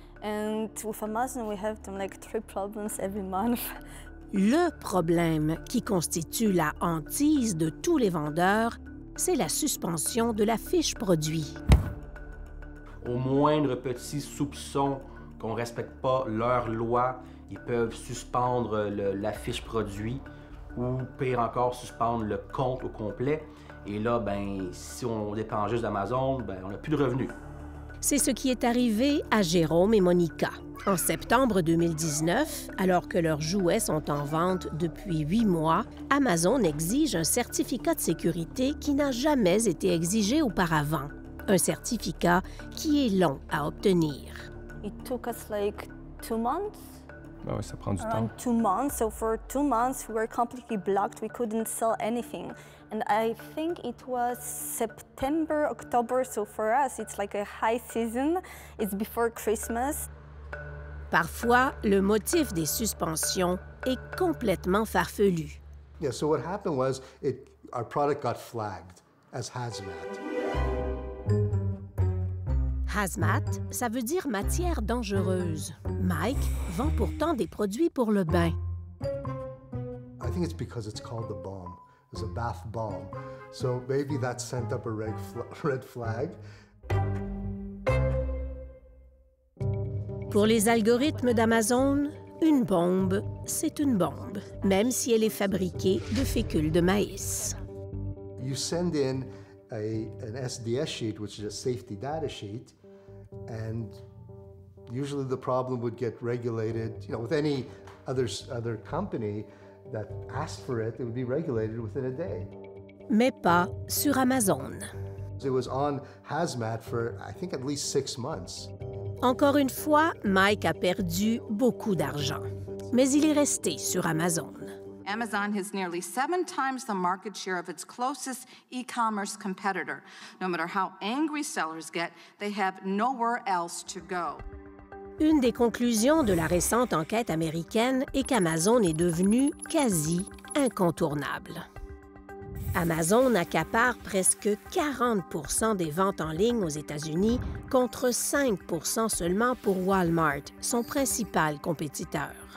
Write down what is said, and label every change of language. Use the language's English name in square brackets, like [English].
[English] And with Amazon, we have them like 3 problems every month. [French] Le problème qui constitue la hantise de tous les vendeurs, c'est la suspension de la fiche produit. Au moindre petit soupçon qu'on ne respecte pas leur loi, ils peuvent suspendre la fiche produit ou, pire encore, suspendre le compte au complet. Et là, ben, si on dépend juste d'Amazon, ben, on n'a plus de revenus. C'est ce qui est arrivé à Jérôme et Monika. En septembre 2019, alors que leurs jouets sont en vente depuis 8 mois, Amazon exige un certificat de sécurité qui n'a jamais été exigé auparavant. Un certificat qui est long à obtenir. [English] It took us like 2 months. [French] Ben oui, ça prend du [English] around [French] temps. [English] 2 months. So for 2 months, we were completely blocked. We couldn't sell anything. And I think it was September, October. So for us, it's like a high season. It's before Christmas. [French] Parfois, le motif des suspensions est complètement farfelu. [English] Yeah. So what happened was, our product got flagged as hazmat. [French] Hazmat, ça veut dire matière dangereuse. Mike vend pourtant des produits pour le bain. [English] I think it's because it's called the bomb. It's a bath bomb. So maybe that sent up a red flag. [French] Pour les algorithmes d'Amazon, une bombe, c'est une bombe, même si elle est fabriquée de fécule de maïs. [English] You send in an SDS sheet, which is a safety data sheet. And usually the problem would get regulated, you know, with any other company that asked for it, it would be regulated within a day. [French] Mais pas sur Amazon. [English] It was on hazmat for, I think, at least 6 months. [French] Encore une fois, Mike a perdu beaucoup d'argent, mais il est resté sur Amazon. [English] Amazon has nearly 7 times the market share of its closest e-commerce competitor. No matter how angry sellers get, they have nowhere else to go. [French] Une des conclusions de la récente enquête américaine est qu'Amazon est devenu quasi incontournable. Amazon accapare presque 40 % des ventes en ligne aux États-Unis contre 5 % seulement pour Walmart, son principal compétiteur.